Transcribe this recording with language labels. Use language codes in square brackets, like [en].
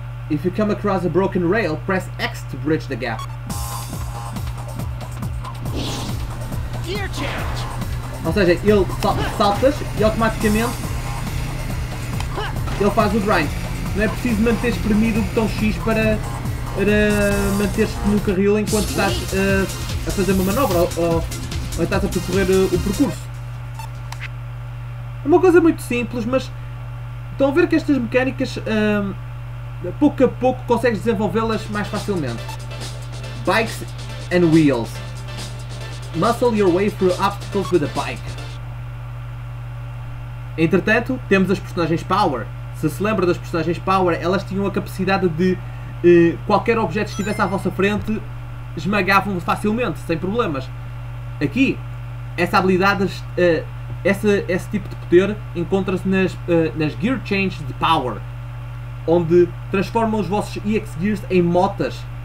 [en] If you come across a broken rail, press X to bridge the gap. Gear change. [pt] Ou seja, ele saltas e automaticamente ele faz o grind. Não é preciso manter espremido o botão X para manter-se no carril enquanto estás a fazer uma manobra ou estás a percorrer o percurso. É uma coisa muito simples, mas estão a ver que estas mecânicas pouco a pouco consegues desenvolvê-las mais facilmente. [en] Bikes and wheels. Muscle your way through obstacles with a bike. [pt] Entretanto, temos as personagens Power. Se lembra das personagens Power, elas tinham a capacidade de qualquer objeto que estivesse à vossa frente esmagavam facilmente, sem problemas. Aqui, essa habilidade esse tipo de poder encontra-se nas Gear Change de Power, onde transformam os vossos EX Gears em motas.